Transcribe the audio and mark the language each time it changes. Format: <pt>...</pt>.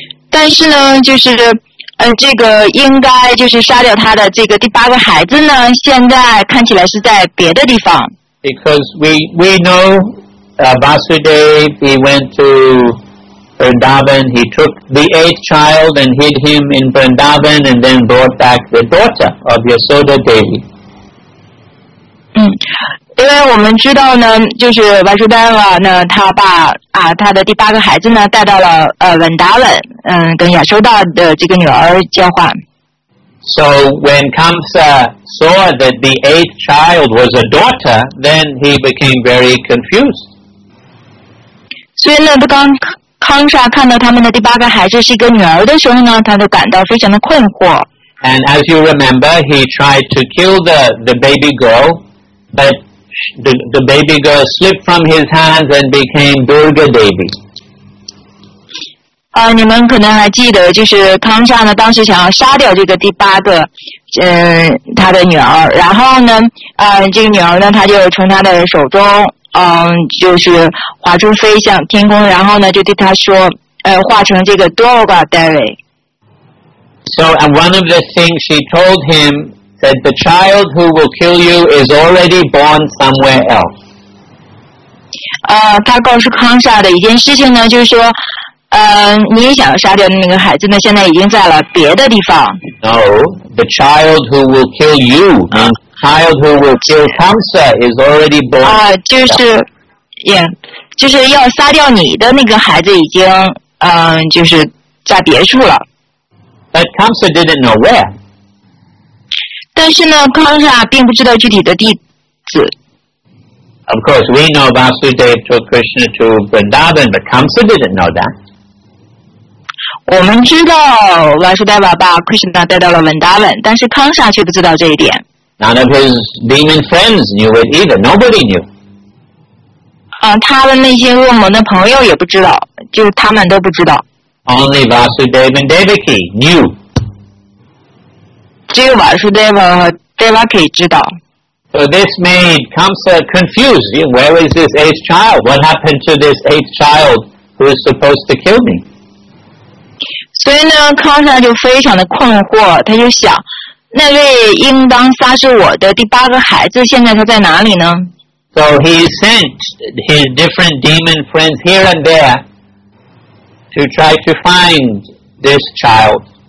<zh>但是呢就是这个应该就是杀掉他的这个第八个孩子呢现在看起来是在别的地方。</zh> <en>Because we know, Vasudev, he went to Vrindavan, he took the eighth child and hid him in Vrindavan and then brought back the daughter of Yasoda Devi.</en> <zh>因为我们知道呢就是 Vasudeva 呢他把他的第八个孩子呢带到了Vrindavan,跟亚修达的这个女儿交换。</zh> <en>So when Kamsa saw that the eighth child was a daughter, then he became very confused.</en> <zh>所以呢他刚康莎看到他们的第八个孩子是一个女儿的时候呢他都感到非常的困惑。</zh> <en>And as you remember, he tried to kill the baby girl, butThe baby girl slipped from his hands and became Durga Devi.</en> <zh>你们可能还记得，就是康萨呢，当时想要杀掉这个第八个，他的女儿。然后呢，这个女儿呢，她就从他的手中，就是划出飞向天空，然后呢，就对他说，化成这个 Durga Devi.</zh> <en>So, and one of the things she told him. That the child who will kill you is already born somewhere else.</en> <zh>他告诉康莎的一件事情呢，就是说，你想杀掉的那个孩子呢，现在已经在了别的地方。</zh> <en>No, the child who will kill you, the child who will kill Kamsa is already born.</en> <zh>就是 ，yeah, 就是要杀掉你的那个孩子已经，就是在别处了。</zh> <en>But Kamsa didn't know where.</en> <zh>但是呢康莎并不知道具体的地址。</zh> <en>Of course, we know Vasudev took Krishna to Vrindavan, but Kamsa didn't know that.</en> <zh>我们知道 Vasudeva 把 Krishna 带到了 Vrindavan, 但是康莎却不知道这一点。</zh> <en>None of his demon friends knew it either. Nobody knew.</en> <zh>他的那些恶魔的朋友也不知道，就他们都不知道。</zh> <en>Only Vasudev and Devaki knew.</en> <zh>只有瓦苏德瓦和德瓦可以知道。</zh> <en>So this made Kamsa confused. Where is this eighth child? What happened to this eighth child who is supposed to kill me?</en> <zh>所以呢，康萨就非常的困惑，他就想，那位应当杀死我的第八个孩子，现在他在哪里呢？</zh> <en>So he sent his different demon friends here and there to try to find this child.</en>